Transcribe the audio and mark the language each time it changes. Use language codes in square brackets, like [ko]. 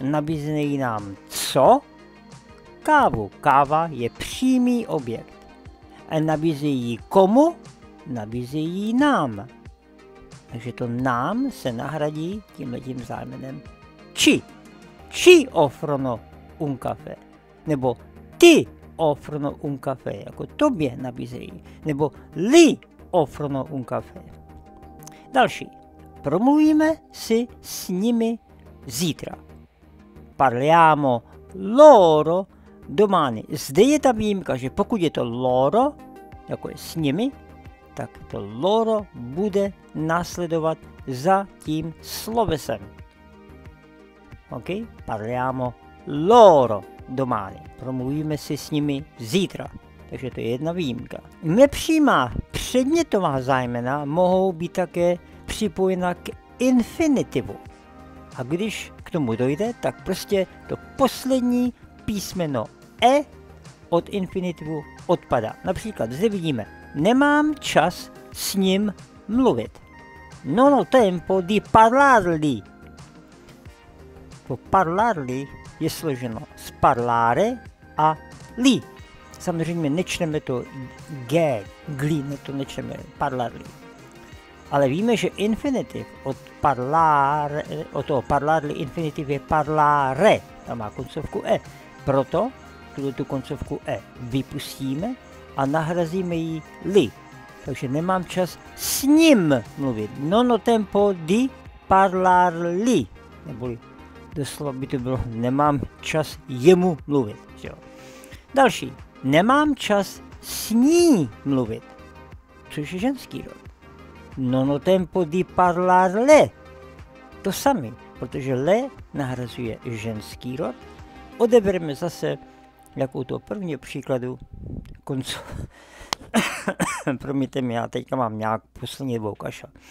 [cs] Nabízejí nám co? Kávu. Káva je přímý objekt. A nabízejí komu? Nabízejí nám. Takže to nám se nahradí tímhletím záměnem. [it] Ci. Ci offrono un caffè. [cs] Nebo [it] ty offrono un caffè. [cs] Jako tobě nabízejí. Nebo [it] li offrono un caffè. [cs] Další. Promluvíme si s nimi zítra. [it] Parliamo loro domani. [cs] Zde je ta výjimka, že pokud je to loro, jako je s nimi, tak to loro bude následovat za tím slovesem. OK? [it] Parliamo loro domani. [cs] Promluvíme si s nimi zítra. Takže to je jedna výjimka. Nepřímá předmětová zájmena mohou být také připojena k infinitivu. A když k tomu dojde, tak prostě to poslední písmeno e od infinitivu odpadá. Například zde vidíme, nemám čas s ním mluvit. [it] Non ho tempo di parlarli. [cs] To parlarli je složeno z parlare a li. Samozřejmě nečteme to g, gli, to nečteme parlarli. Ale víme, že infinitiv od parlare, od toho parlarli infinitiv je parlare, tam má koncovku e. Proto tu koncovku e vypustíme a nahrazíme ji li. Takže nemám čas s ním mluvit. [it] Non ho tempo di parlarli. [cs] Neboli doslova by to bylo, nemám čas jemu mluvit. Jo. Další. Nemám čas s ní mluvit. Což je ženský rod. [it] Non ho tempo di parlar le. [cs] To samé, protože le nahrazuje ženský rod. Odebereme zase, jako u toho prvního příkladu, koncu. Promiňte mi, já teďka mám nějak poslední dvou kaša.